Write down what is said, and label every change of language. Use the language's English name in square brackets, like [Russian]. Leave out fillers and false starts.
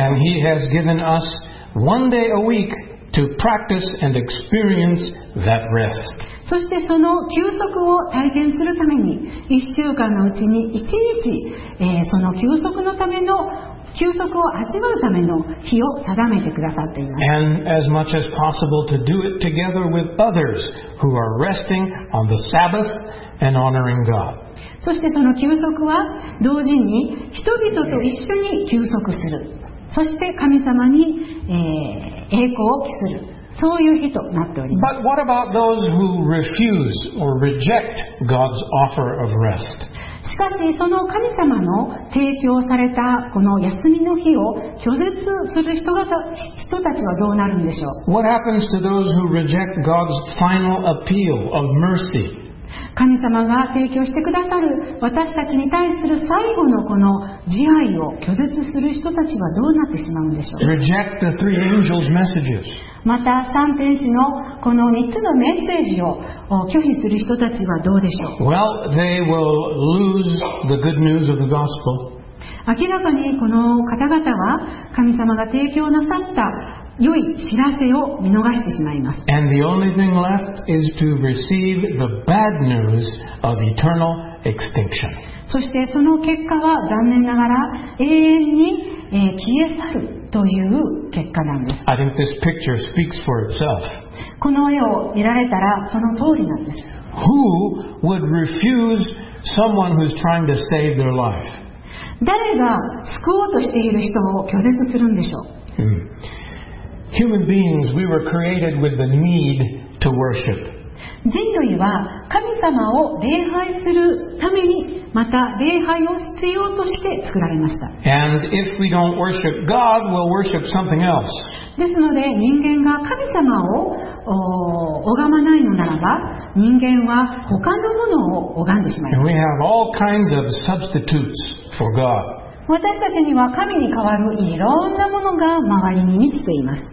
[English] And he has given us one day a week to practice and experience that rest. [Japanese] そしてその休息を体験するために、1週間のうちに1日、その休息のための休息を味わうための日を定めてくださっています。 [English] And as much as possible to do it together with others who are resting on the Sabbath and honoring God. [Japanese] そしてその休息は同時に人々と一緒に休息する。そして神様に、栄光を期する。そういう日となっております。 [English] But what about those who refuse or reject God's offer of rest? [Japanese] しかし、その神様の提供されたこの休みの日を拒絶する人たちはどうなるんでしょう? [English] What happens to those who reject God's final appeal of mercy? [Japanese] 神様が提供してくださる私たちに対する最後のこの慈愛を拒絶する人たちはどうなってしまうんでしょう? [English] Reject the three angels' messages. [Japanese] また三天使のこの3つのメッセージを拒否する人たちはどうでしょう? [English] Well, they will lose the good news of the gospel. [Japanese] 明らかにこの方々は神様が提供なさった良い知らせを見逃してしまいます。 [English] And the only thing left is to receive the bad news of eternal extinction. [Japanese] そしてその結果は残念ながら永遠に消え去るという結果なんです。 [English] I think this picture speaks for itself. [Japanese] この絵を見られたらその通りなんです。 [English] Who would refuse someone who's trying to save their life? [Japanese] 誰が救おうとしている人を拒絶するんでしょう。 [English] Human beings, we were created with the need to worship. [Japanese] 人類は神様を礼拝するために、また礼拝を必要として作られました。 [English] And if we don't worship God, we'll worship something else. [Japanese] ですので、人間が神様を拝まないのならば、人間は他のものを拝んでしまいます。 [English] And we have all kinds of substitutes for God. [Japanese] 私たちには神に代わるいろんなものが周りに満ちています。